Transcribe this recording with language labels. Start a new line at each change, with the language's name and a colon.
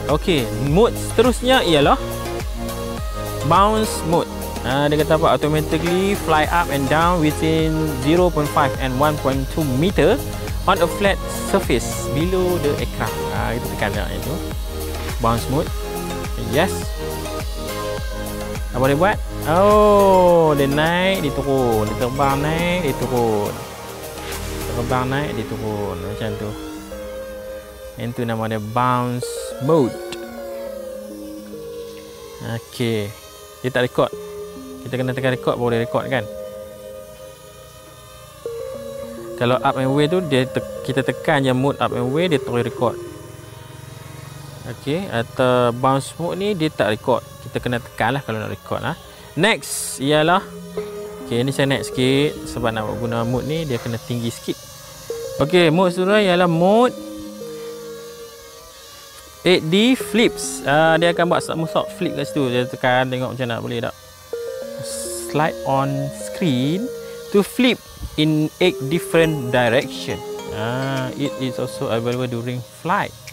Malay: Okey, mode seterusnya ialah bounce mode. Dia kata apa?
English: Automatically fly up and down within 0.5 and 1.2 meter on a flat surface below the aircraft.
Malay: Kita tekan dekat itu. Bounce mode. Yes. Dah boleh buat? Oh, dia naik, dia turun. Dia terbang, naik, dia turun. Terbang, naik, dia turun. Macam tu. Yang tu nama dia bounce mode. Okey. Dia tak rekod. Kita kena tekan rekod baru dia rekod kan? Kalau up and away tu, dia kita tekan je mode up and away, dia terus rekod. Okey, atau bounce mode ni dia tak rekod. Kita kena tekan lah kalau nak rekod lah. Next ialah, okey, ni saya naik sikit sebab nak guna mode ni, dia kena tinggi sikit. Okey, mode seterusnya ialah mode 8D flips. Dia akan buat somersault flip kat situ. Dia tekan tengok macam nak boleh tak.
English: Slide on screen to flip in 8 different direction. It is also available during flight.